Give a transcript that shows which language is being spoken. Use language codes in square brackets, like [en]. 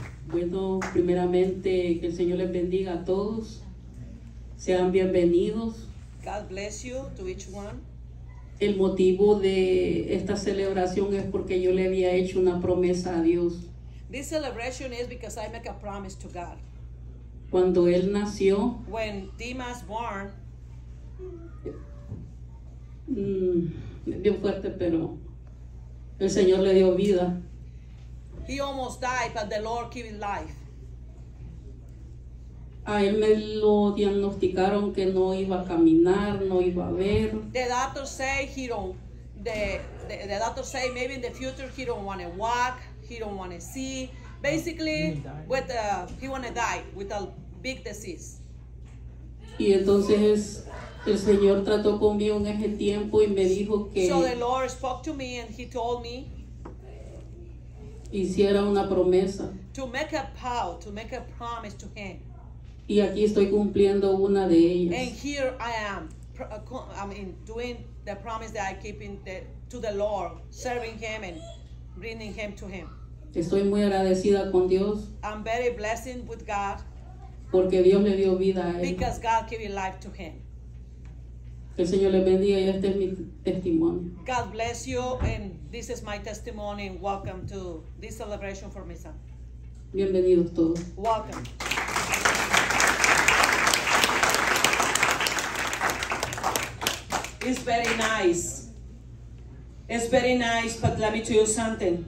[es] Bueno, primeramente, que el Señor les bendiga a todos. Sean bienvenidos. [en] God bless you to each one. [es] El motivo de esta celebración es porque yo le había hecho una promesa a Dios. [en] This celebration is because I make a promise to God. [es] Cuando él nació, [en] when Dimas born, [es] bien fuerte, pero el Señor le dio vida. [en] He almost died, but the Lord gave him life. [es] A él me lo diagnosticaron que no iba a caminar, no iba a ver. [en] The doctor say he don't, the doctor say maybe in the future he don't want to walk, he don't want to see. Basically, he want to die with a big disease. [es] Y entonces el Señor trató conmigo en ese tiempo y me dijo que [en] so the Lord spoke to me and he told me [es] hiciera una promesa. [en] To make a vow, to make a promise to him. [es] Y aquí estoy cumpliendo una de ellas. [en] And here I am, I mean, doing the promise that I keep in the, to the Lord, serving him and bringing him to him. [es] Estoy muy agradecida con Dios. [en] I'm very blessed with God. [es] Porque Dios le dio vida a él. [en] Because God gave life to him. [es] El Señor le bendiga y este es mi testimonio. [en] God bless you and this is my testimony and welcome to this celebration for my son. [es] Bienvenidos todos. [en] Welcome. It's very nice. It's very nice, but let me tell you something.